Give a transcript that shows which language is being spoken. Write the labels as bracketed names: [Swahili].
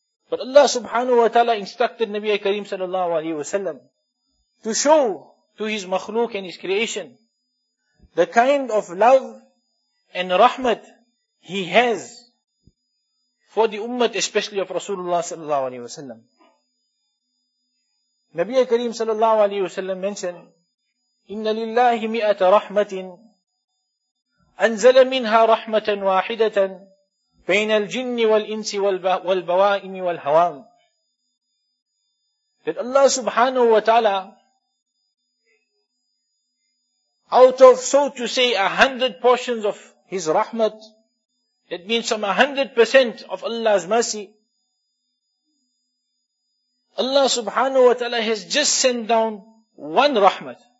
[English] But Allah subhanahu wa ta'ala instructed Nabi Kareem sallallahu alayhi wa sallam to show to his makhluk and his creation the kind of love and rahmat he has for the ummah, especially of Rasulullah sallallahu alayhi wa sallam. [Arabic] Nabi Kareem sallallahu alayhi wa sallam [English] mentioned, [Arabic] إِنَّ لِلَّهِ مِئَةَ رَحْمَةٍ أَنْزَلَ مِنْهَا رَحْمَةً وَاحِدَةً بَيْنَ الْجِنِّ وَالْإِنسِ وَالْبَوَائِمِ وَالْهَوَامِ. [English] That Allah subhanahu wa ta'ala, out of, so to say, 100 portions of His rahmat, that means some 100% of Allah's mercy, Allah subhanahu wa ta'ala has just sent down one rahmat.